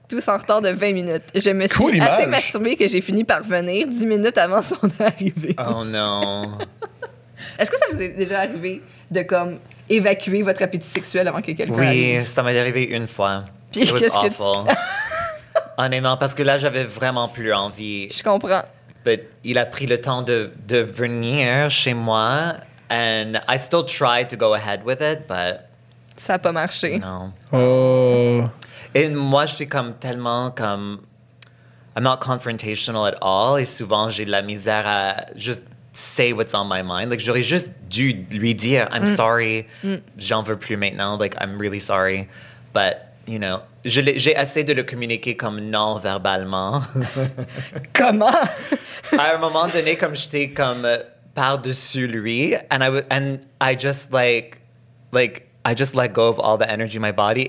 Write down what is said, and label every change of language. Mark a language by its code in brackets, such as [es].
[fr] Tous en retard de 20 minutes. Je me suis assez masturbée que j'ai fini par venir 10 minutes avant son arrivée. Oh non. Est-ce que ça vous est déjà arrivé de comme évacuer votre appétit sexuel avant que quelqu'un arrive? Oui, ça m'est arrivé une fois. Puis qu'est-ce que tu... Honnêtement, parce que là, j'avais vraiment plus envie. Je comprends. [en] But il a pris le temps de venir chez moi. And I still tried to go ahead with it, but... [fr] Ça n'a pas marché. Non. Oh... Et moi, je suis comme tellement comme... [en] I'm not confrontational at all. [fr] Et souvent, j'ai de la misère à [en] just say what's on my mind. [fr] Like, j'aurais juste dû lui dire, [en] I'm sorry, [fr] j'en veux plus maintenant. [en] Like, I'm really sorry. But, you know, [fr] j'ai essayé de le communiquer comme non-verbalement. Comment? À un moment donné, comme j'étais comme par-dessus lui. [en] And I just let go of all the energy in my body.